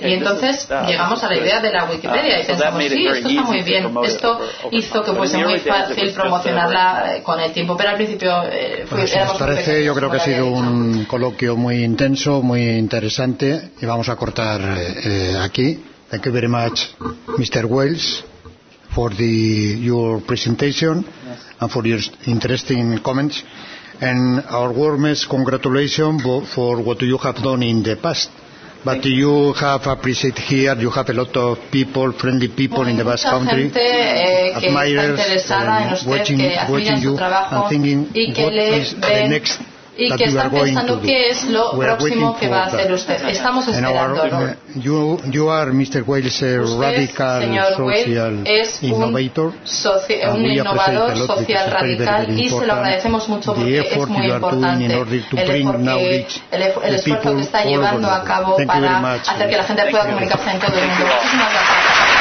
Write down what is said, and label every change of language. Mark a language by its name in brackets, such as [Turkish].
[Spanish] Y entonces llegamos a la idea de la Wikipedia y pensamos, sí, esto está muy bien. Esto hizo que fuese muy fácil promocionarla con el tiempo. Pero al principio Yo creo que ha sido un coloquio muy intenso, muy interesante, y vamos a cortar aquí. [English] Thank you very much, Mr. Wales, for your presentation and for your interesting comments. And our warmest congratulations for what you have done in the past. But you have appreciated here, you have a lot of people, friendly people in the Basque Country, admirers, watching you and thinking what is the next. [Spanish] Y que están pensando qué es lo próximo que va a hacer usted. Estamos esperando. [English] Mr. Wales, radical social innovator. [Spanish] Un innovador social radical, y se lo agradecemos mucho porque es muy importante el esfuerzo que está llevando a cabo para hacer que la gente pueda comunicarse en todo el mundo. Muchísimas gracias.